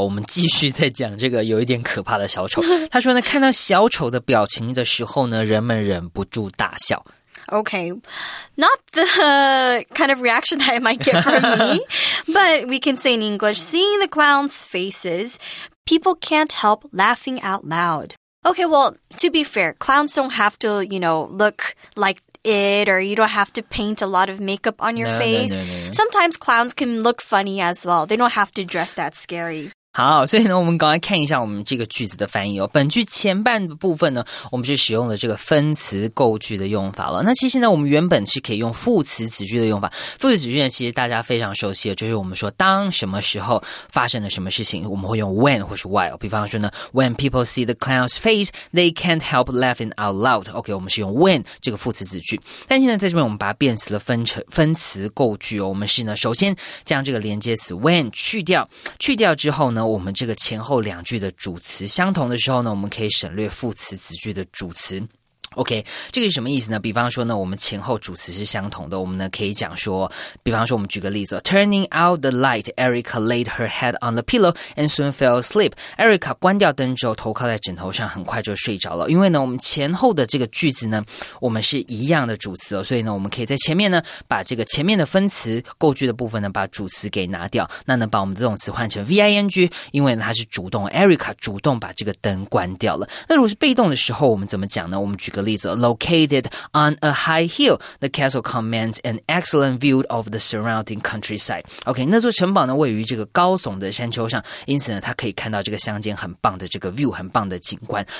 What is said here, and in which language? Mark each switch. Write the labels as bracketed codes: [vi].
[zh] 我们继续在讲这个有一点可怕的小丑。他说呢，看到小丑的表情的时候呢，人们忍不住大笑。 [en] Okay, not the kind of reaction that it might get from me, but we can say in English, seeing the clown's faces, people can't help laughing out loud. Okay, well, to be fair, clowns don't have to, you know, look like it, or you don't have to paint a lot of makeup on your face. No. Sometimes clowns can look funny as well. They don't have to dress that scary. [zh] 好，所以呢，我们赶快看一下我们这个句子的翻译哦。本句前半部分呢，我们是使用了这个分词构句的用法了。那其实呢，我们原本是可以用副词子句的用法。副词子句呢，其实大家非常熟悉的，就是我们说当什么时候发生了什么事情，我们会用 when 或是 while。比方说呢 [en] ，When people see the clown's face, they can't help laughing out loud. [zh] OK， 我们是用 when 这个副词子句。但现在在这边，我们把它变成了分词构句哦。我们是呢，首先将这个连接词 when 去掉之后呢。我们这个前后两句的主词相同的时候呢，我们可以省略副词子句的主词。 OK， 这个是什么意思呢？比方说呢，我们前后主词是相同的，我们呢可以讲说，比方说我们举个例子 ， [en] Turning out the light, Erica laid her head on the pillow and soon fell asleep. [zh] Erica 关掉灯之后，头靠在枕头上，很快就睡着了。因为呢，我们前后的这个句子呢，我们是一样的主词哦，所以呢，我们可以在前面呢，把这个前面的分词构句的部分呢，把主词给拿掉，那呢，把我们的动词换成 ving， 因为呢它是主动 ，Erica 主动把这个灯关掉了。那如果是被动的时候，我们怎么讲呢？我们举个。 [en] Located on a high hill, the castle commands an excellent view of the surrounding countryside. [zh] OK, 那座城堡呢位于这个高耸的山丘上，因此呢它可以看到这个乡间很棒的这个 view， 很棒的景观。